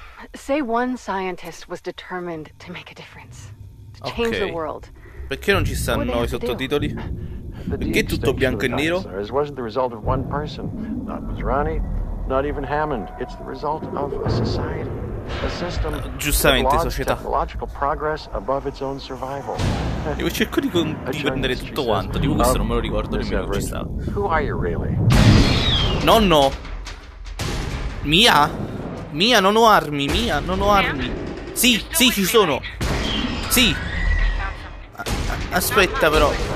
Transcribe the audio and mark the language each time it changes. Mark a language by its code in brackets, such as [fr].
[en] Say one scientist was determined to make a difference. To change the world. [it] Perché non ci stanno i sottotitoli? Perché tutto bianco e nero? [en] Wasn't the result of one person, not Mizrani, not even Hammond. It's the result of a society, a system. [it] Giustamente, società. [en] Technological progress above its own survival. [it] Io cerco di comprendere tutto quanto. Dico questo, non me lo ricordo nemmeno che ci sta. [en] Who are you really? [it] Nonno. Mia. Mia, non ho armi. Mia, non ho armi. Sì, sì, ci sono. Sì. Aspetta, però.